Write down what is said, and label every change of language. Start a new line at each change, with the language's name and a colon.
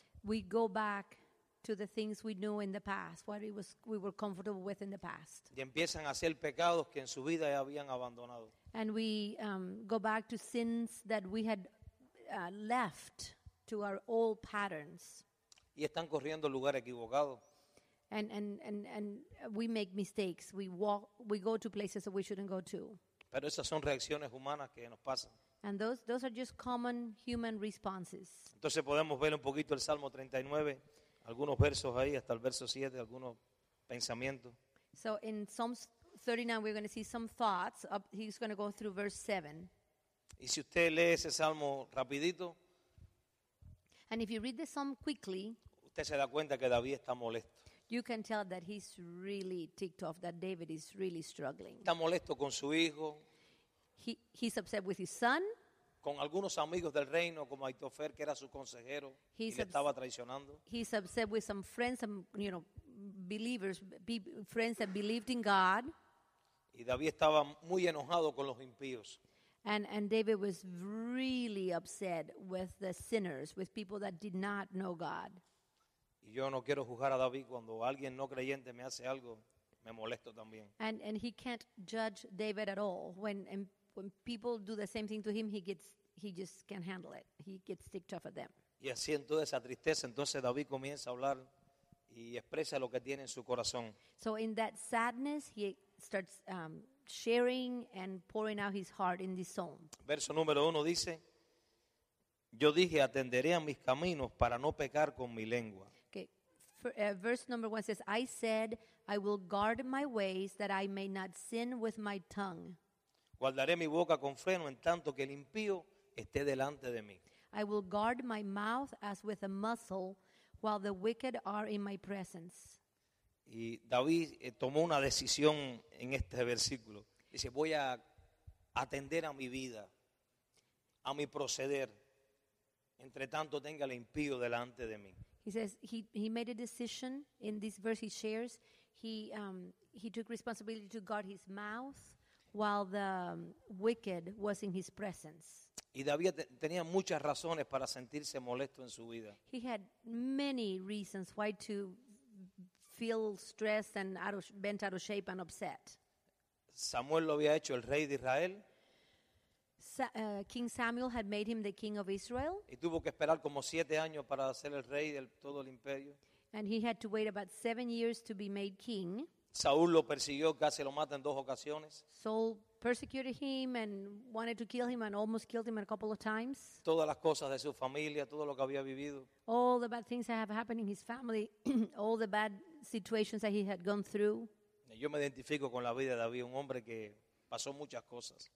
English: We go back to the things we knew in the past. What we were comfortable with in the past.
Spanish: Y empiezan a hacer pecados que en su vida ya habían abandonado.
English: And we go back to sins that we had left. To our old patterns.
Spanish: Y están corriendo el lugar equivocado.
English: And we make mistakes. We go to places that we shouldn't go to.
Spanish: Pero esas son reacciones humanas que nos pasan.
English: And those are just common human responses.
Spanish: Entonces podemos ver un poquito el Salmo 39, algunos versos ahí hasta el verso 7, algunos pensamientos.
English: So in Psalms 39 we're going to see some thoughts. He's going to go through verse 7.
Spanish: Y si usted lee ese salmo rapidito,
English: And if you read the psalm quickly,
Spanish: usted se da cuenta que David está molesto.
English: You can tell that he's really ticked off, that David is really struggling.
Spanish: Está molesto con su hijo.
English: He's upset with his son.
Spanish: Con algunos amigos del reino, como Aitofer, que era su consejero, y le estaba traicionando.
English: He's upset with some friends, some, you know, believers, friends that believed in God.
Spanish: Y David estaba muy enojado con los impíos.
English: And David was really upset with the sinners, with people that did not know God.
Spanish: Y yo no quiero juzgar a David. Cuando alguien no creyente me hace algo, me molesto también.
English: And he can't judge David at all. When people do the same thing to him, he just can't handle it. He gets ticked off at them.
Spanish: Y así en toda esa tristeza, entonces David comienza a hablar y expresa lo que tiene en su corazón.
English: So in that sadness, he starts sharing and pouring out his heart in this psalm.
Spanish: Verso número uno dice, yo dije, atenderé a mis caminos para no pecar con mi lengua.
English: Okay. Verse number one says, I said, I will guard my ways that I may not sin with my tongue.
Spanish: Guardaré mi boca con freno en tanto que el impío esté delante de mí.
English: I will guard my mouth as with a muzzle while the wicked are in my presence.
Spanish: Y David tomó una decisión en este versículo. Dice, voy a atender a mi vida, a mi proceder, entre tanto tenga el impío delante de mí.
English: He says he made a decision in this verse he shares. He took responsibility to guard his mouth while the wicked was in his presence.
Spanish: Y David tenía muchas razones para sentirse molesto en su vida.
English: He had many reasons why to feel stressed and bent out of shape and upset.
Spanish: Samuel lo había hecho el rey de Israel.
English: King Samuel had made him the king of Israel.
Spanish: Y tuvo que esperar como 7 años para ser el rey de todo el imperio.
English: And he had to wait about 7 years to be made king.
Spanish: Saúl lo persiguió, casi lo mata en dos ocasiones.
English: Saul persecuted him and wanted to kill him and almost killed him a couple of times.
Spanish: Todas las cosas de su familia, todo lo que había vivido.
English: All the bad things that have happened in his family, all the bad situations that he had gone through.
Spanish: Yo me identifico con la vida de David, un hombre que pasó muchas cosas.